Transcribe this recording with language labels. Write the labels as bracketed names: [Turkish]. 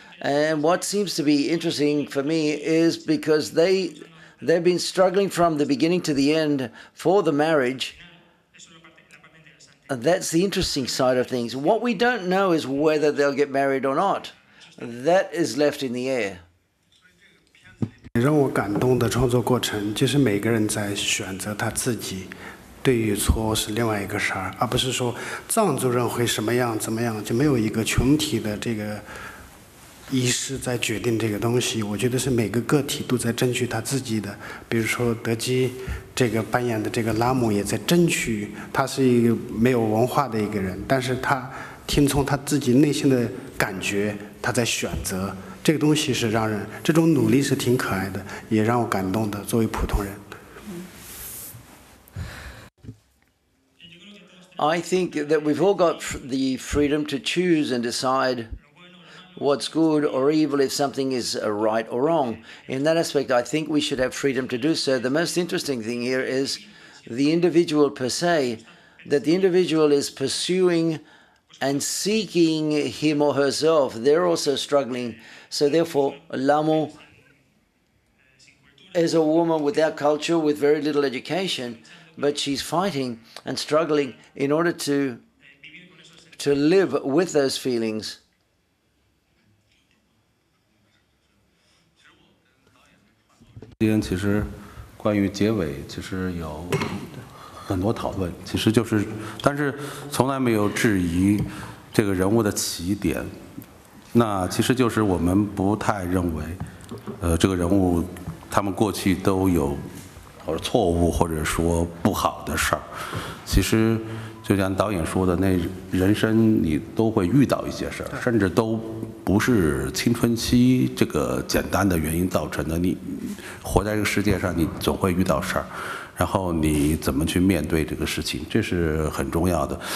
[English] And what seems to be interesting for me is because they've been struggling from the beginning to the end for the marriage. That's the interesting side of things. What we don't know is whether they'll get married or not. That is left in the air. [Chinese] 让我感动的创作过程就是每个人在选择他自己对与错是另外一个事儿，而不是说藏族人会什么样怎么样，就没有一个群体的这个仪式在决定这个东西。我觉得是每个个体都在争取他自己的，比如说德基这个扮演的这个拉姆也在争取，他是一个没有文化的一个人，但是他听从他自己内心的感觉，他在选择这个东西，是让人这种努力是挺可爱的，也让我感动的。作为普通人 [English] ，I think that we've all got the freedom to choose and decide what's good or evil, if something is right or wrong. In that aspect, I think we should have freedom to do so. The most interesting thing here is the individual per se, that the individual is pursuing and seeking him or herself. They're also struggling. So therefore, LHAMO is a woman without culture, with very little education, but she's fighting and struggling in order to live with those feelings. [Chinese] DN, 其实关于结尾其实有很多讨论，其实就是，但是从来没有质疑这个人物的起点。那其实就是我们不太认为这个人物他们过去都有或者错误或者说不好的事儿，其实就像导演说的，那人生你都会遇到一些事儿，甚至都不是青春期这个简单的原因造成的，你活在这个世界上你总会遇到事儿，然后你怎么去面对这个事情，这是很重要的。